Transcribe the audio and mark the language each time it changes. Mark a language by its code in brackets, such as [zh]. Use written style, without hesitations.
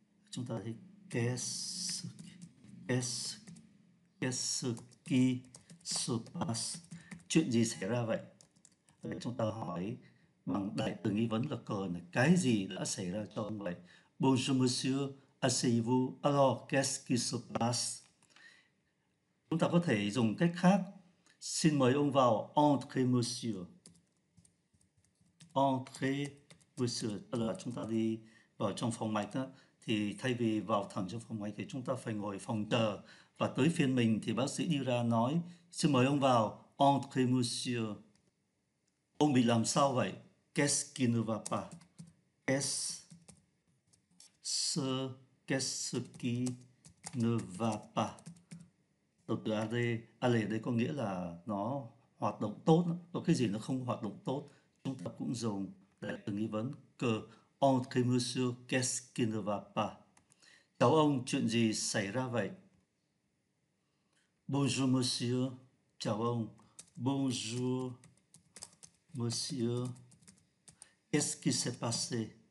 [vi] Chúng ta thấy [fr] qu'est-ce qui se passe? [vi] Chuyện gì xảy ra vậy? Để chúng ta hỏi bằng đại từ nghi vấn là cờ này. Cái gì đã xảy ra cho ông vậy? [fr] Bonjour monsieur, asseyez-vous. Alors, qu'est-ce qui se passe? [vi] Chúng ta có thể dùng cách khác. Xin mời ông vào. [fr] Entrez monsieur. Entrez monsieur. [vi] Tức là chúng ta đi vào trong phòng mạch đó, thì thay vì vào thẳng trong phòng mạch thì chúng ta phải ngồi phòng chờ. Và tới phiên mình thì bác sĩ đi ra nói: "Xin mời ông vào, [fr] entrez monsieur." [vi] "Ông bị làm sao vậy?" [fr] "Qu'est-ce qui ne va pas?" "Qu'est-ce qui ne va pas?" [vi] Từ aller, aller đây có nghĩa là nó hoạt động tốt, có cái gì nó không hoạt động tốt. Chúng ta cũng dùng để từ nghi vấn cơ. [fr] Entrez monsieur, qu'est-ce qui ne va pas? [vi] "Cháu ông, chuyện gì xảy ra vậy?" [fr] "Bonjour monsieur." [vi] "Chào ông." [fr] "Bonjour monsieur." "Qu'est-ce qui s'est passé?"